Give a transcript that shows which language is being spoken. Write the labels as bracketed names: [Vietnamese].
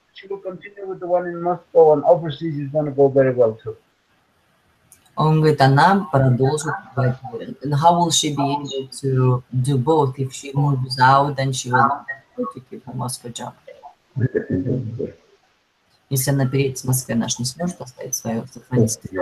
[English] She will continue with the one in Moscow and overseas is going to go very well too. [Russian] Он говорит, она продолжит работать. [English] And how will she be able to do both? If she moves out, then she will not have to keep her Moscow job. [Russian] Если она переедет с Москвы, она же не сможет оставить свою сохранность.